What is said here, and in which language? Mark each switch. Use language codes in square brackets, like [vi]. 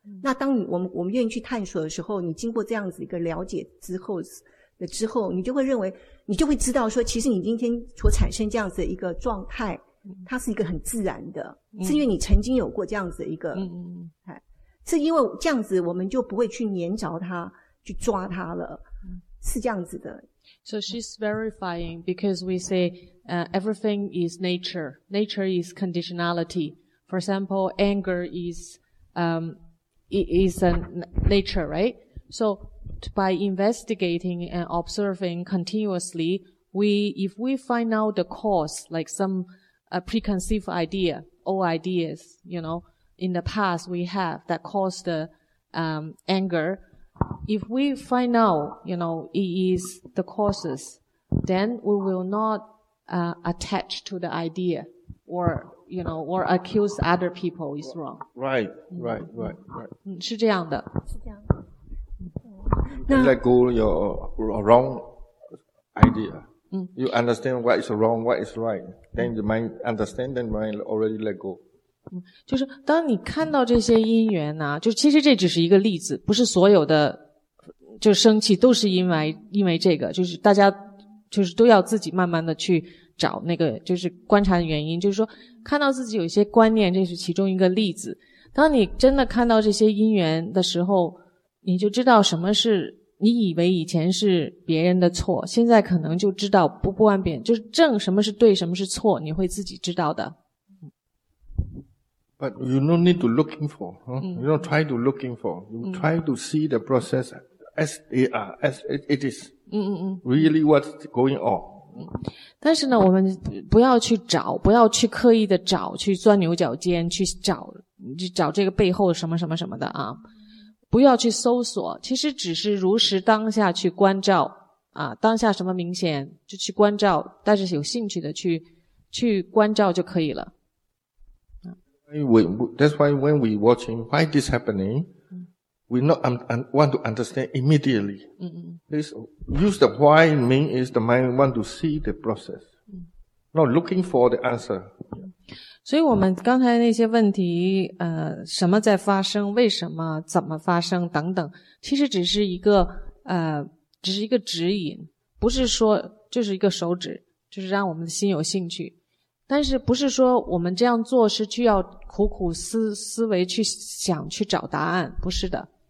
[zh] 那当我们愿意去探索的时候，你经过这样子一个了解之后，你就会认为，你就会知道说，其实你今天所产生这样子的一个状态，它是一个很自然的，是因为你曾经有过这样子的一个，是因为这样子，我们就不会去黏着它，去抓它了，是这样子的。 [en] So she's verifying because we say, everything is nature. Nature is conditionality. For example, anger is a nature, right? So by investigating and observing continuously, if we find out the cause, like some preconceived idea, old ideas, you know, in the past we have that caused the anger, if we find out, you know, it is the causes, then we will not attach to the idea or accuse other people is wrong. Right, right, right, right. [zh] 是这样的。是这样的。 [en] Let go your wrong idea. You understand what is wrong, what is right. Then you might understand, then you might already let go. [zh] 就是当你看到这些因缘呢、啊、就其实这只是一个例子，不是所有的就生气都是因为这个，就是大家就是都要自己慢慢的去找那个就是观察原因，就是说看到自己有一些观念，这是其中一个例子。当你真的看到这些因缘的时候，你就知道什么是你以为以前是别人的错，现在可能就知道不关别人，就是正什么是对什么是错，你会自己知道的。 [en] But you don't need to looking for, huh? You don't try to looking for. You try to see the process as they are, as it is. Really what's going on. [zh] 但是呢，我们不要去找，不要去刻意的找，去钻牛角尖，去找这个背后什么什么什么的啊。不要去搜索，其实只是如实当下去关照啊，当下什么明显就去关照，但是有兴趣的去关照就可以了。 [en] That's why when we watching why this happening, we not want to understand immediately. Use the why mean is the mind want to see the process, not looking for the answer. [zh] 所以我们刚才那些问题，什么在发生，为什么，怎么发生等等，其实只是一个只是一个指引，不是说就是一个手指，就是让我们的心有兴趣。但是不是说我们这样做是需要苦苦思维去想去找答案，不是的。